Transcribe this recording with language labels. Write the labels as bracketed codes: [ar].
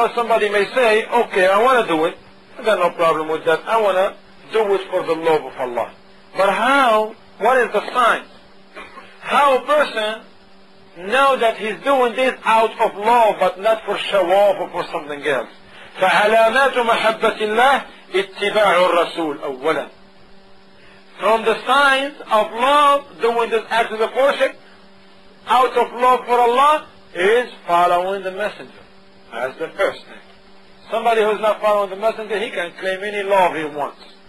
[en] Now somebody may say, okay, I want to do it. There's no problem with that. I want to do it for the love of Allah. But how, what is the sign? How a person know that he's doing this out of love, but not for shawab or for something else. [ar] فعلامات محبة الله اتباع الرسول أولا. [en] From the signs of love, doing this act of worship, out of love for Allah, is following the messenger. That's the first thing. Somebody who is not following the messenger, he can claim any love he wants.